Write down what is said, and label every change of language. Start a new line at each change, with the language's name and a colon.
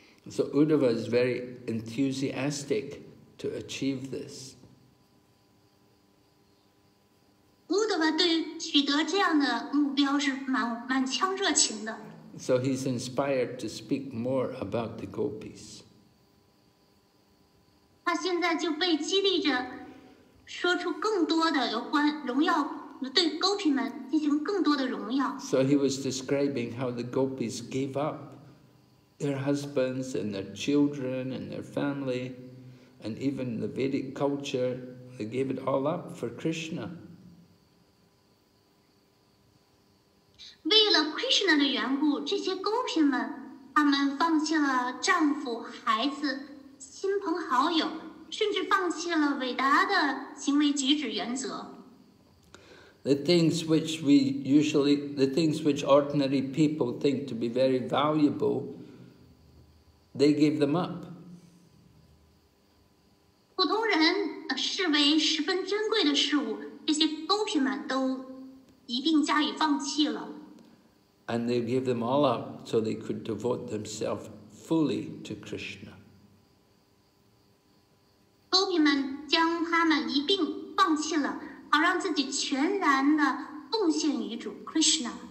English: So Uddhava is very enthusiastic to achieve this.
Chinese: Uddhava 对取得这样的目标是满腔热情的。
English: So he's inspired to speak more about the gopis.
Chinese: 他现在就被激励着说出更多的有关荣耀，对 gopi 们进行更多的荣耀。
English: So he was describing how the gopis gave up. Their husbands and their children and their family, and even the Vedic culture, they gave it all up for Krishna.
Chinese: 为了 Krishna 的缘故，这些勾品们，他们放弃了丈夫、孩子、亲朋好友，甚至放弃了伟大的行为举止原则。
English: The things which we usually, the things which ordinary people think to be very valuable. They gave them up.
Chinese: 普通人视为十分珍贵的事物，这些勾品们都一并加以放弃了。
English: And they gave them all up so they could devote themselves fully to Krishna.
Chinese: 勾品们将他们一并放弃了，好让自己全然的奉献于主 Krishna。